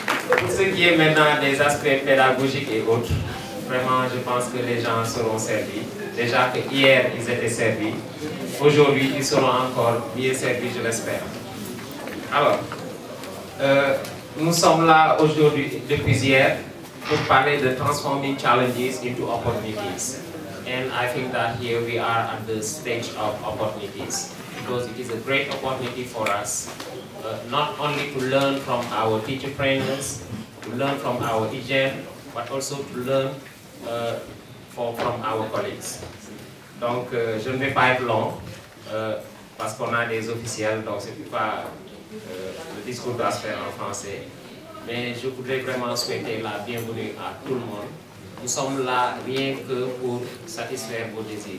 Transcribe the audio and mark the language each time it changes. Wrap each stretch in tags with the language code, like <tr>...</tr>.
<fr>Pour ce qui est maintenant des aspects pédagogiques et autres, vraiment, je pense que les gens seront servis. Déjà que hier, ils étaient servis. Aujourd'hui, ils seront encore mieux servis, je l'espère. Alors, nous sommes là aujourd'hui, depuis hier, pour parler de</fr> <en>transforming challenges into opportunities. And I think that here we are at the stage of opportunities, because it is a great opportunity for us, not only to learn from our teacher trainers, to learn from our EGM, but also to learn from our colleagues.</en> <fr>Donc, je ne vais pas être long, parce qu'on a des officiels, donc ce n'est pas le discours doit se faire en français. Mais je voudrais vraiment souhaiter la bienvenue à tout le monde. Nous sommes là rien que pour satisfaire vos désirs.</fr>